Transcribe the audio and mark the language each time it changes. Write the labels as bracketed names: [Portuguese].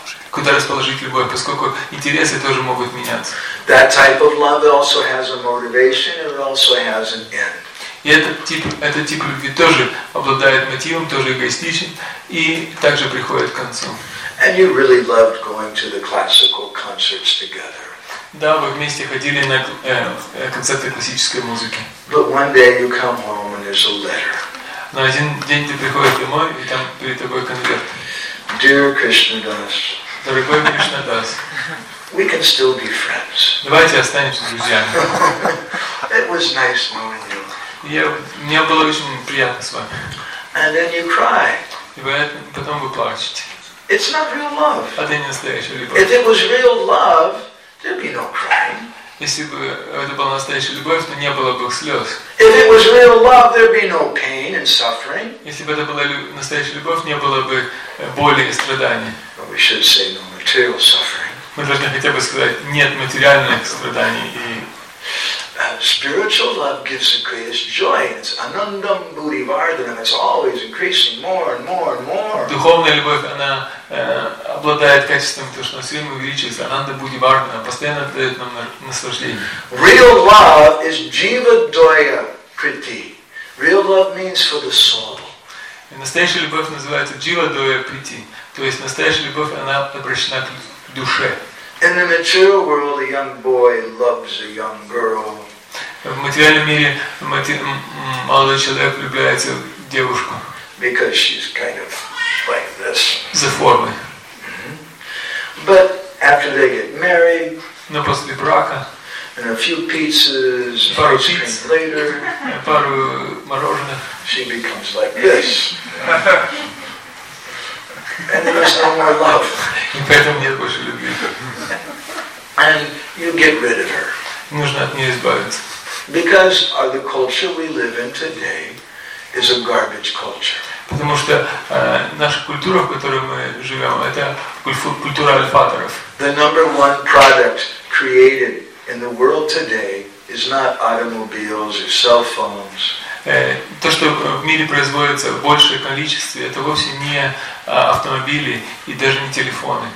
[Russian] Куда расположить любовь, поскольку интересы тоже могут меняться. [English] That type of love also has a motivation and also has an end. [Russian] И этот тип любви тоже обладает мотивом, тоже эгоистичен и также приходит к концу. [English] And you really loved going to the classical concerts together. [Russian] Да, вы вместе ходили на концерты классической музыки. [English] But one day you come home and there's a letter. [Russian] Но один день ты приходишь домой, и там перед тобой конверт. [English] Dear Krishna Das. [Russian] Дорогой Кришна Дас. [English] We can still be friends. [Russian] Давайте останемся друзьями. [English] It was nice knowing you. [Russian] Мне было очень приятно с вами. [English] And then you cry. [Russian] И потом вы плачете. [English] It's not real love. [Russian] Это не настоящая любовь. [English] If it was real love, there'd be no crying. [Russian] Если бы это была настоящая любовь, то не было бы слез. [English] If it was real love, there'd be no pain and suffering. [Russian] Если бы это была настоящая любовь, не было бы боли и страданий. [English] But we should say no material suffering. [Russian] Мы должны хотя бы сказать нет материальных страданий и. [English] Spiritual love gives the greatest joy. It's anandam buddhivardhanam. It's always increasing more and more and more. [Russian] Духовная любовь, она обладает качеством, то, что она все время увеличивается. Ананда буддхивардхана постоянно дает нам наслаждение. [English] Real love is jiva doya priti. Real love means for the soul. [Russian] И настоящая любовь называется jiva doya priti. То есть настоящая любовь, она обращена к душе. [English] In the material world, a young boy loves a young girl. [Russian] В материальном мире молодой человек влюбляется в девушку. [English] Because she's kind of like this. [Russian] За формой. [English] But after they get married. [Russian] Но после брака. [English] And a few pizzas. [Russian] Пару пиц. [English] Later. [Russian] Пару мороженых. [English] She becomes like this. And there is no more love. [Russian] И поэтому нет больше любви. [English] And you get rid of her. [Russian] Нужно от нее избавиться. [English] Because the culture we live in today is a garbage culture. [Russian] Потому что наша культура, в которой мы живем, это культура альфаторов. [English] The number one product created in the world today is not automobiles or cell phones. [Russian] То, что в мире производится в большем количестве, это вовсе не автомобили и даже не телефоны.